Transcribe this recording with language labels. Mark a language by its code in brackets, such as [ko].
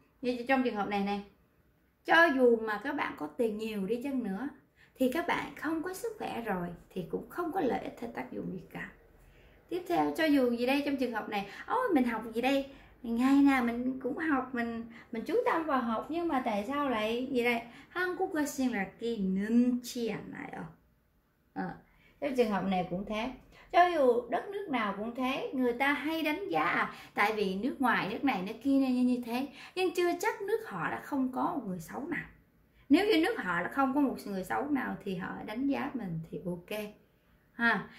[vi] Như trong trường hợp này này, cho dù mà các bạn có tiền nhiều đi chăng nữa thì các bạn không có sức khỏe rồi thì cũng không có lợi ích hay tác dụng gì cả. Tiếp theo, cho dù gì đây trong trường hợp này, ôi mình học gì đây, ngày nào mình cũng học, mình chú tâm vào học, nhưng mà tại sao lại gì đây? [ko] 한국어는 그렇게 늦지 않아요. [vi] Trong trường hợp này cũng thế. Cho dù đất nước nào cũng thế, người ta hay đánh giá à, tại vì nước ngoài nước này nước kia này như thế, nhưng chưa chắc nước họ đã không có một người xấu nào. Nếu như nước họ là không có một người xấu nào thì họ đánh giá mình thì ok ha.